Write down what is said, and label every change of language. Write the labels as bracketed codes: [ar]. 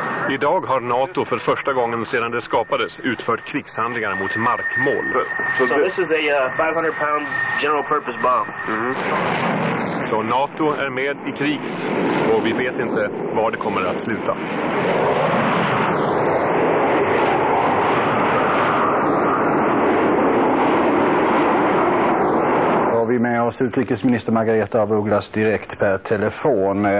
[sv] Idag har NATO för första gången sedan det skapades utfört krigshandlingar mot markmål. [en] So this is a 500 pound general purpose bomb. Mm-hmm. [sv] Så NATO är med i kriget och vi vet inte var det kommer att sluta. Har vi med oss utrikesminister Margareta af Ugglas direkt per telefon.